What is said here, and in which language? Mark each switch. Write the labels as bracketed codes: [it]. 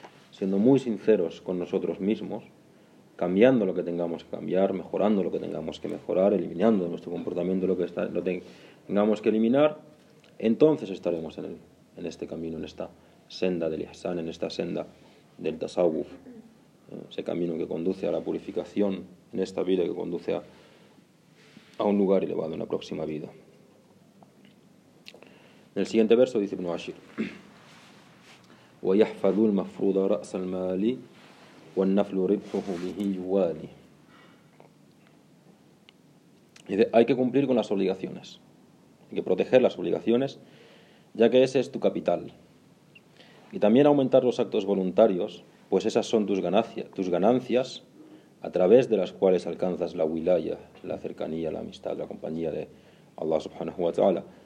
[es] siendo muy sinceros con nosotros mismos, cambiando lo que tengamos que cambiar, mejorando lo que tengamos que mejorar, eliminando de nuestro comportamiento lo que tengamos que eliminar, entonces estaremos en este camino, en esta senda del ihsan, en esta senda del tasawuf, ese camino que conduce a la purificación en esta vida, que conduce a un lugar elevado en la próxima vida. En el siguiente verso dice Ibn Ashir: [ar] وَيَحْفَذُ الْمَفْرُوضَ رَأْسَ الْمَالِ وَالنَّفْلُ رِبْحُهُ بِهِ يُوَالِ. [es] Dice: hay que cumplir con las obligaciones, hay que proteger las obligaciones, ya que ese es tu capital. Y también aumentar los actos voluntarios, pues esas son tus ganancias a través de las cuales alcanzas la wilaya, la cercanía, la amistad, la compañía de Allah [ar] subhanahu wa ta'ala.